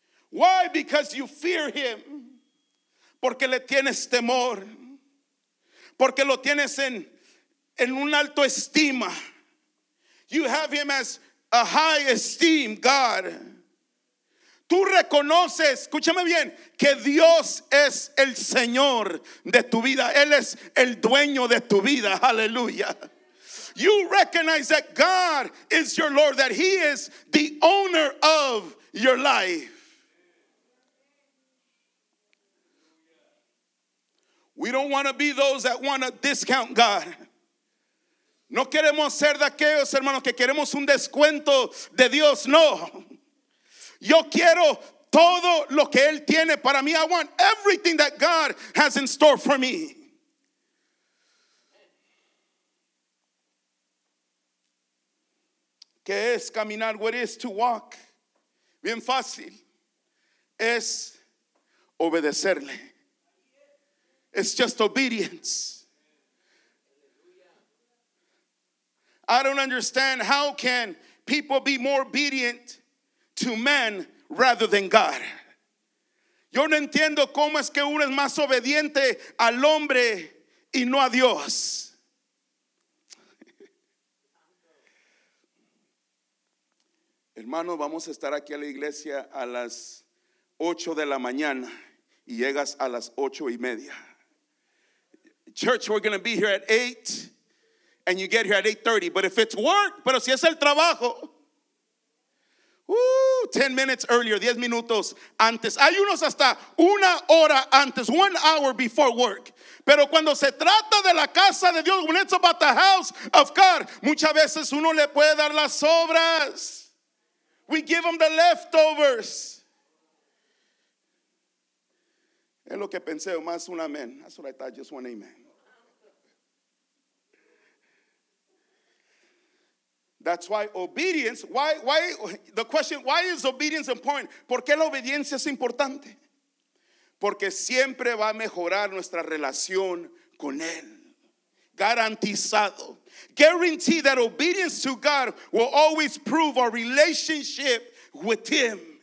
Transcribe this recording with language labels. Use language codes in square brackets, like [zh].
[en] Why? Because you fear him. [es] Porque le tienes temor. Porque lo tienes en un alto estima. [en] You have him as a high esteem, God. [es] Tú reconoces, escúchame bien, que Dios es el Señor de tu vida. Él es el dueño de tu vida. Aleluya. [en] You recognize that God is your Lord, that he is the owner of your life. We don't want to be those that want to discount God. [es] No queremos ser de aquellos, hermanos, que queremos un descuento de Dios. No. Yo quiero todo lo que Él tiene para mí. [en] I want everything that God has in store for me. [es] ¿Qué es caminar? [en] What is to walk? [es] Bien fácil. Es obedecerle. It's just obedience. [en] I don't understand how can people be more obedient to man rather than God. [es] Yo no entiendo cómo es que uno es más obediente al hombre y no a Dios. Hermano, vamos a estar aquí a la iglesia a las 8 de la mañana y llegas a las 8:30. [en] Church, we're going to be here at 8, and you get here at 8:30. But if it's work, [es] pero si es el trabajo, [en] 10 minutes earlier, [es] 10 minutos antes. Hay unos hasta una hora antes, [en] 1 hour before work. [es] Pero cuando se trata de la casa de Dios, [en] when it's about the house of God, [es] muchas veces uno le puede dar las sobras. [en] We give them the leftovers. [es] Es lo que pensé, más un amén. [en] That's what I thought, just one amen. That's why obedience, why the question, why is obedience important? [es] ¿Por qué la obediencia es importante? Porque siempre va a mejorar nuestra relación con Él. Garantizado. [en] Guarantee that obedience to God will always prove our relationship with Him.